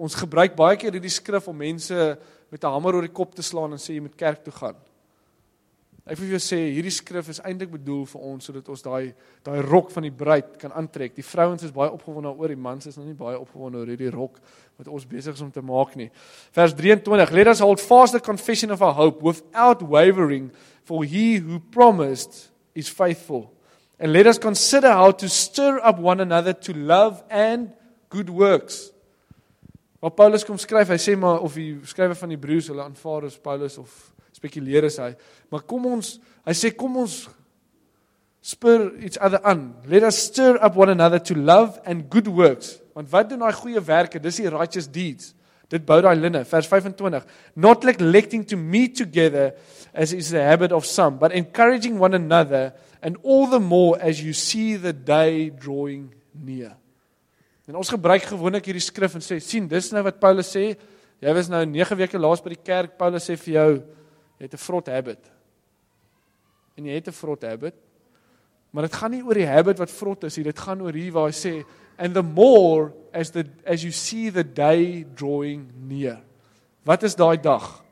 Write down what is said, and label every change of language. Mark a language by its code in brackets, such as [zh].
[af] Ons gebruik baie keer hierdie skrif om mense met 'n hamer oor die kop te slaan en sê jy moet kerk toe gaan. Ek wil vir jou sê, hierdie skrif is eintlik bedoel vir ons, sodat ons daai rok van die bruid kan aantrek. Die vrouens is baie opgewonde oor, die mans is nog nie baie opgewonde oor hierdie rok, wat ons besig is om te maak nie. [en] Vers 23, Let us hold fast the confession of our hope, without wavering, for he who promised is faithful. And let us consider how to stir up one another to love and good works. [af] Wat Paulus kom skryf, hy sê maar, of die skrywer van die Hebreërs, hulle aanvaar as Paulus of spekuleer is hy, maar kom ons, hy sê, kom ons [en] spur each other [af] aan. [en] Let us stir up one another to love and good works. [af] Want wat doen die goeie werke? Dis die [en] righteous deeds. [af] Dit bou die linne. Vers 25. [en] Not like electing to meet together as is the habit of some, but encouraging one another and all the more as you see the day drawing near. [af] En ons gebruik gewoonlik hierdie skrif en sê, sien, dis nou wat Paulus sê, jy was nou 9 weke laas by die kerk, Paulus sê vir jou, jy het 'n vrot habit. En jy het 'n vrot habit. Maar dit gaan nie oor die habit wat vrot is nie, dit gaan oor hier waar hy sê [en] and the more as you see the day drawing near. [af] Wat is daai dag?